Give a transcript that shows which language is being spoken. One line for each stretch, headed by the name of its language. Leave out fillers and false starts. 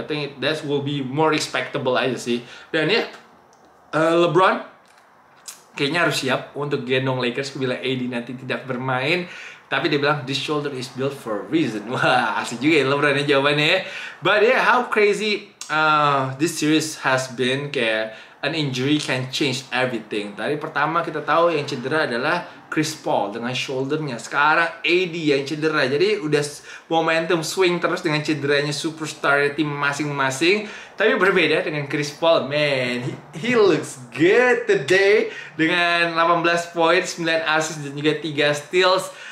English: I think that will be more respectable
Indonesian: aja sih. Dan ya, LeBron kayaknya harus siap untuk gendong Lakers bila AD nanti tidak bermain. Tapi dia bilang,
English: this shoulder is built for a reason.
Indonesian: Wah, asik juga ya LeBron ya jawabannya ya.
English: But yeah, how crazy this series has been.
Indonesian: Kayak
English: an injury can change everything.
Indonesian: Tadi pertama kita tahu yang cedera adalah Chris Paul dengan shoulder-nya. Sekarang AD yang cedera. Jadi udah momentum swing terus dengan cederanya superstar tim masing-masing. Tapi berbeda dengan Chris Paul, man,
English: he looks good today
Indonesian: dengan 18 points, 9 assists dan juga 3 steals.